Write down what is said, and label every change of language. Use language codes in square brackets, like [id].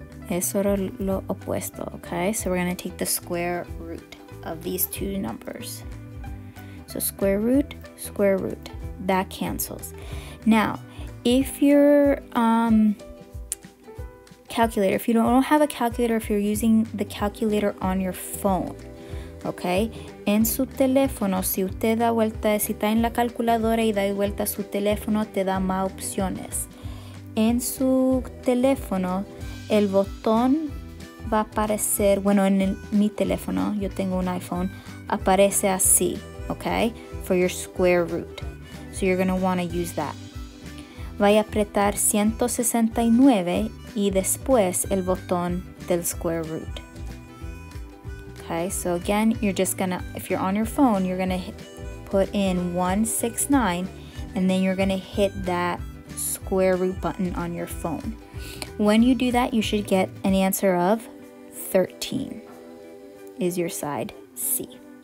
[es] Eso era lo opuesto, [en] okay? So we're gonna take the square root of these two numbers. So square root, square root. That cancels. Now, if your calculator, if you don't have a calculator, if you're using the calculator on your phone, okay? [es] En su teléfono, si usted da vuelta, si está en la calculadora y da vuelta su teléfono, te da más opciones. En su teléfono, el botón va a aparecer, bueno, en el, mi teléfono, yo tengo un iPhone, aparece así, okay? [en] For your square root. So you're going to want to use that. [es] Vaya a apretar 169 y después el botón del [en] square root. Okay, so again, you're just gonna, if you're on your phone, you're gonna put in 169 and then you're gonna hit that square root button on your phone. When you do that, you should get an answer of 13 is your side C.